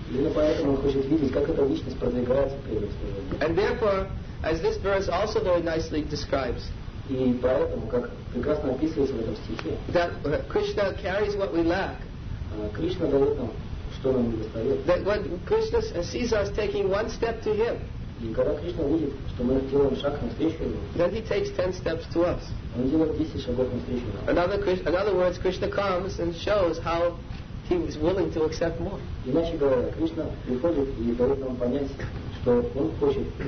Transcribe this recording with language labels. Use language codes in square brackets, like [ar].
[ru] Именно поэтому он хочет видеть, как эта личность продвигается в преданном служении. [en] And therefore, as this verse also very nicely describes, [ru] и поэтому, как прекрасно описывается в этом стихе, [en] that Krishna carries what we lack. [ru] Кришна дает нам, что нам недостает. [en] That when Krishna sees us taking one step to Him, [ru] и когда Кришна видит, что мы делаем шаг навстречу Ему, [en] then He takes 10 steps to us. [ru] Он делает 10 шагов навстречу нам. [en] In other words, Krishna comes and shows how He is willing to accept more. [ru] Иначе говоря, Кришна приходит и дает нам понять, что Он хочет.